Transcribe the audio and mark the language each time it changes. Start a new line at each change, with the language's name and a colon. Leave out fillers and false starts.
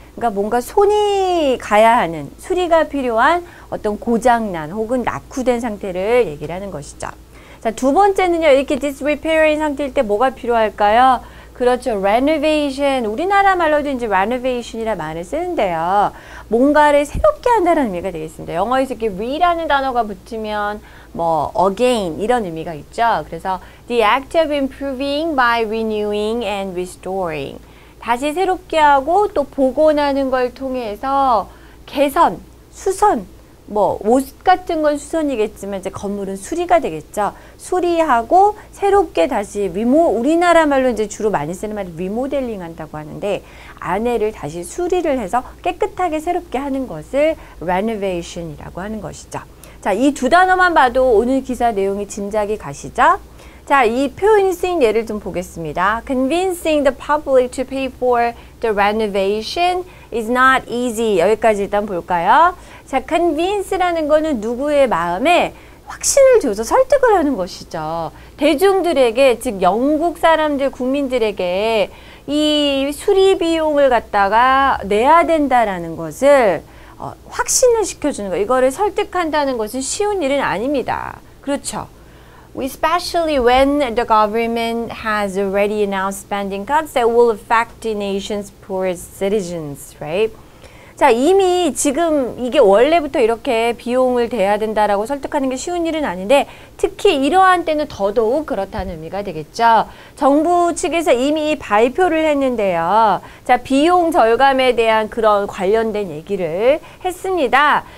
Korean: 그러니까 뭔가 손이 가야 하는, 수리가 필요한 어떤 고장난 혹은 낙후된 상태를 얘기를 하는 것이죠. 자, 두 번째는요, 이렇게 disrepair인 상태일 때 뭐가 필요할까요? 그렇죠. renovation. 우리나라 말로도 이제 renovation이라는 말을 쓰는데요. 뭔가를 새롭게 한다는 의미가 되겠습니다. 영어에서 이렇게 re라는 단어가 붙으면 뭐 again 이런 의미가 있죠. 그래서
English: the act of improving by renewing and restoring.
Korean: 다시 새롭게 하고 또 복원하는 걸 통해서 개선, 수선, 뭐 옷 같은 건 수선이겠지만 이제 건물은 수리가 되겠죠. 수리하고 새롭게 다시 우리나라 말로 이제 주로 많이 쓰는 말이 리모델링 한다고 하는데 안에를 다시 수리를 해서 깨끗하게 새롭게 하는 것을 renovation이라고 하는 것이죠. 자, 이 두 단어만 봐도 오늘 기사 내용이 짐작이 가시죠? 자, 이 표현이 쓰인 예를 좀 보겠습니다.
English: Convincing the public to pay for the renovation is not easy.
Korean: 여기까지 일단 볼까요? 자, convince라는 거는 누구의 마음에 확신을 줘서 설득을 하는 것이죠. 대중들에게, 즉 영국 사람들, 국민들에게 이 수리 비용을 갖다가 내야 된다라는 것을 확신을 시켜주는 거. 이거를 설득한다는 것은 쉬운 일은 아닙니다. 그렇죠?
English: Especially when the government has already announced spending cuts that will affect the nation's poorest citizens, right?
Korean: 자, 이미 지금 이게 원래부터 이렇게 비용을 대야 된다라고 설득하는 게 쉬운 일은 아닌데 특히 이러한 때는 더더욱 그렇다는 의미가 되겠죠. 정부 측에서 이미 발표를 했는데요. 자, 비용 절감에 대한 그런 관련된 얘기를 했습니다.